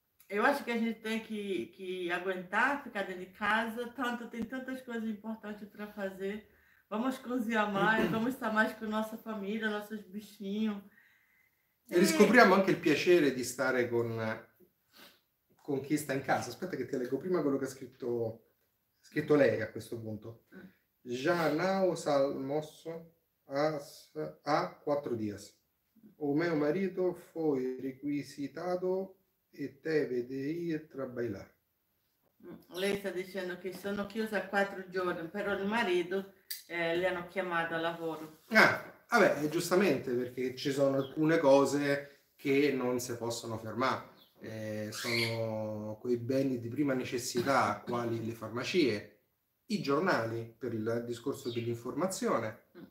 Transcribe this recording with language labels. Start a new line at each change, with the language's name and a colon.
Portuguese: Eu acho que a gente tem que aguentar, ficar dentro de casa, tem tantas coisas importantes para fazer. Vamos cozinhar mais, vamos estar mais com nossa família, nossos bichinhos.
Italian: Riscopriamo anche il piacere di stare con chi sta in casa. Aspetta che ti leggo prima quello che ha scritto lei a questo punto.
Portuguese: Já não almoço há 4 dias. O meu marido foi requisitado e teve de ir trabalhar.
Italian: Lei sta dicendo che sono chiusa 4 giorni, però il marito le hanno chiamato al lavoro. Vabbè, giustamente, perché ci sono alcune cose che non si possono fermare. Sono quei beni di prima necessità, quali le farmacie, i giornali, per il discorso dell'informazione.